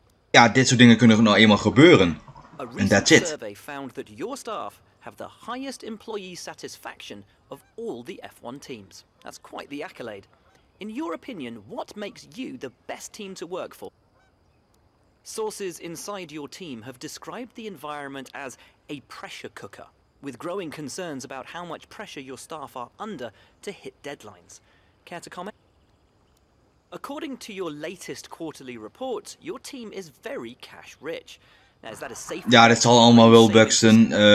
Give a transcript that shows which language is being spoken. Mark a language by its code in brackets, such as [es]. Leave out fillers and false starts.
[nl] Ja, dit soort dingen kunnen nou eenmaal gebeuren. [en] En that's it. Survey found that your staff have the highest employee satisfaction of all the F1 teams. That's quite the accolade. In your opinion, what makes you the best team to work for? Sources inside your team have described the environment as a pressure cooker, with growing concerns about how much pressure your staff are under to hit deadlines. Care to comment? According to your latest quarterly report, your team is very cash rich. [nl] Ja, dit zal allemaal wel, Buxton.